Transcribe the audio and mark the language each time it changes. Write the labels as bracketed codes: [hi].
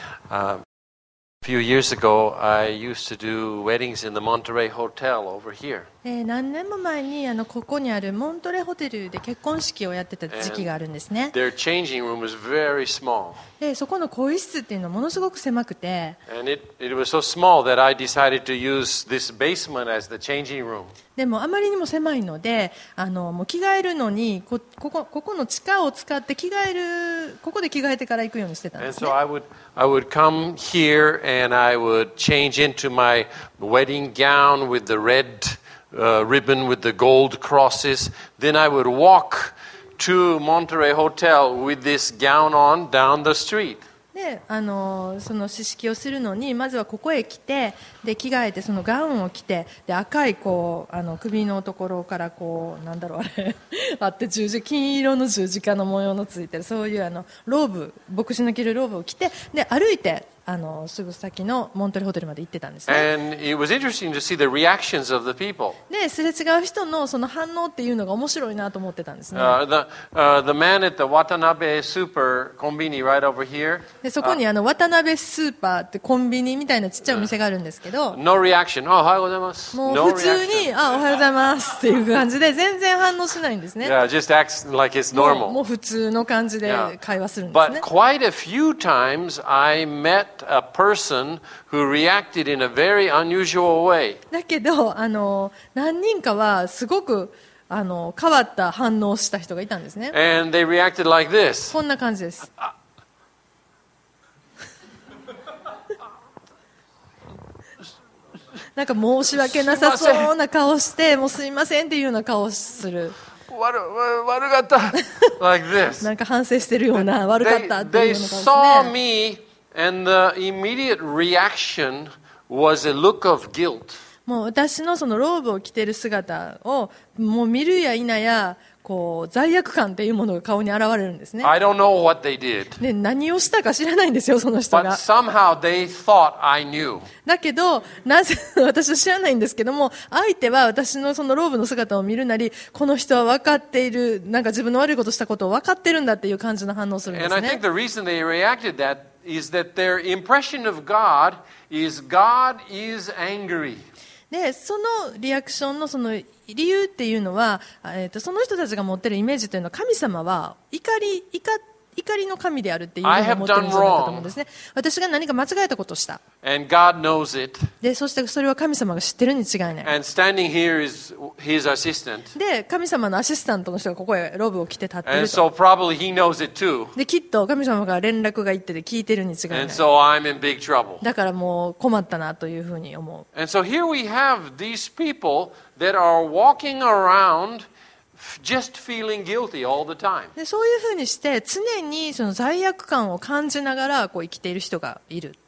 [en] A few years ago, I used to do weddings in the Monterey Hotel over here. [ja] 何年も前にここにあるモントレーホテルで結婚式をやってた時期があるんですね。 [en] And their changing room was very small. [ja] で、そこの更衣室っていうのはものすごく狭くて。 [en] And it was so small that I decided to use this basement as the changing room. [ja] でもあまりにも狭いのでもう着替えるのに ここの地下を使って着替えるここで着替えてから行くようにしてたんですね。 [en] And so I would come here and I would change into my wedding gown with the red ribbon with the gold crosses. Then I would walk to Monterey Hotel with this gown on down the street. [ja] でその式をするのにまずはここへ来てで着替えてそのガウンを着てで赤いこう首のところからこうなんだろうあれあって十字金色の十字架の模様のついてるそういうローブ牧師の着るローブを着てで歩いてすぐ先のモントレーホテルまで行ってたんですね。 [en] And it was interesting to see the reactions of the people. [ja] ですれ違う人のその反応っていうのが面白いなと思ってたんですね。 [en] The man at the Watanabe Super Konbini right over here. [ja] でそこに Watanabe Super ってコンビニみたいなちっちゃいお店があるんですけど。 [en] No reaction. [ja] おはようございます。もう普通に、 [en] no、 [ja] おはようございますっていう感じで全然反応しないんですね。 [en] Yeah, just acts like it's normal. [ja] もう普通の感じで会話するんですね。Yeah. [en] But quite a few times I met a person who reacted in a very unusual way. [ja] だけど何人かはすごく変わった反応をした人がいたんですね。 [en] And they reacted like this. [ja] こんな感じです。なんか申し訳なさそうな顔して、もうすいませんっていうような顔をする。悪かった。 [en] Like this. [ja] なんか反省してるような悪かったっていうような顔ですね。 [en] They saw me. And the immediate reaction was a look of guilt. [ja] もう私のそのローブを着てる姿をもう見るや否やこう罪悪感っていうものが顔に現れるんですね。 [en] I don't know what they did. [ja] で何をしたか知らないんですよその人が。 [en] But somehow they thought I knew. [ja] だけどなぜ私は知らないんですけども相手は私のそのローブの姿を見るなりこの人は分かっているなんか自分の悪いことしたことを分かってるんだっていう感じの反応をするんですね。 [en] And I think the reason they reacted thatis that their impression of God is God is angry. [ja] で、そのリアクションのその理由っていうのは、その人たちが持ってるイメージというのは神様は怒りの神であるっていうのを持ってるんだと思うんですね。私が何か間違えたことをした。 [en] And God knows it. [ja] で、そしてそれは神様が知ってるに違いない。 [en] And standing here is his assistant. [ja] で、神様のアシスタントの人がここへローブを着て立ってると。 [en] And so probably he knows it too. [ja] で、きっと神様が連絡が行ってて聞いてるに違いない。 [en] And so I'm in big trouble. [ja] だからもう困ったなというふうに思う。 [en] And so here we have these people that are walking aroundJust feeling guilty all the time. [ja] でそういうふうにして常にその罪悪感を感じながらこう生きている人がいる。